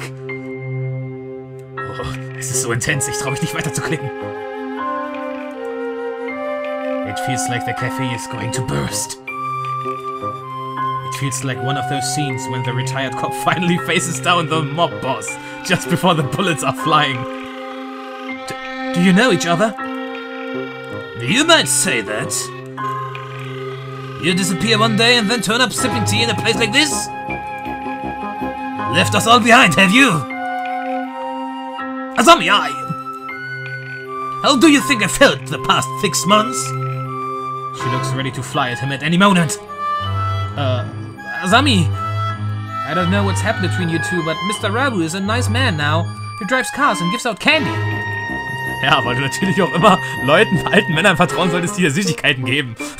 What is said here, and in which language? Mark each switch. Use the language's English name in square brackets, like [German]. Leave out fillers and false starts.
[German] Oh, es ist so intens, ich trau mich nicht weiter zu klicken. [English] It feels like the cafe is going to burst. It feels like one of those scenes when the retired cop finally faces down the mob boss just before the bullets are flying. Do you know each other? You might say that. You disappear one day and then turn up sipping tea in a place like this? Left us all behind, have you? Azami, I... How do you think I felt the past 6 months? She looks ready to fly at him at any moment. Azami! I don't know what's happened between you two, but Mr. Rabu is a nice man now. He drives cars and gives out candy. [German] Ja, weil du natürlich auch immer Leuten, alten Männern vertrauen solltest, die dir Süßigkeiten geben.